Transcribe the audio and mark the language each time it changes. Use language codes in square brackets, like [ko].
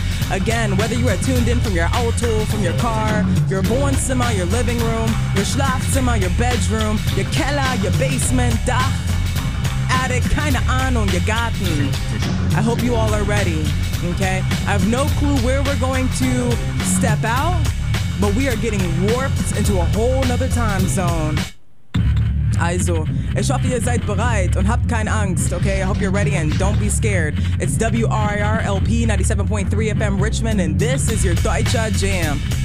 [en] Again, whether you are tuned in from your auto, from your car, your Wohnzimmer, your living room, your Schlafzimmer, your bedroom, your Keller, your basement, [de] Dach, keine Ahnung, [en] you got me. I hope you all are ready, okay? I have no clue where we're going to step out, but we are getting warped into a whole nother time zone. [de] Also, ich hoffe, ihr seid bereit und habt keine Angst, okay? [en] I hope you're ready and don't be scared. It's WRIRLP 97.3 FM Richmond, and this is your Deutsche Jam.